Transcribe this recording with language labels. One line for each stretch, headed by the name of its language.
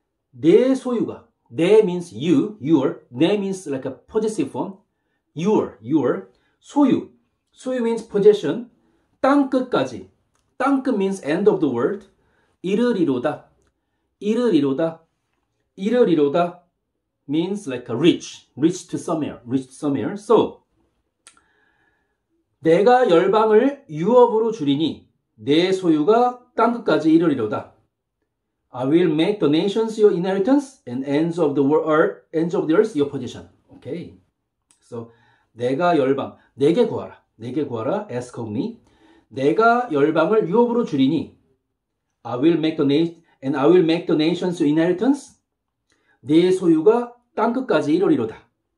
English: 내 소유가, 내 means you, your, 내 means like a possessive form, your, 소유, 소유 means possession, 땅끝까지, 땅끝 means end of the world, 이르리로다, 이르리로다, 이르리로다 means like a reach to somewhere, reach to somewhere.
Korean: So, 내가 열방을 유업으로 주리니, 내 소유가 땅끝까지 이르리로다.
English: I will make the nations your inheritance and ends of the world are ends of the earth your possession. Okay.
Korean: So 내가 열방 내게 구하라.
English: 내게 구하라. Ask of me. 내가 열방을 유업으로 주리니 I will make the nation and I will make the nations your inheritance.
Korean: 내 소유가 땅끝까지 이르리로다.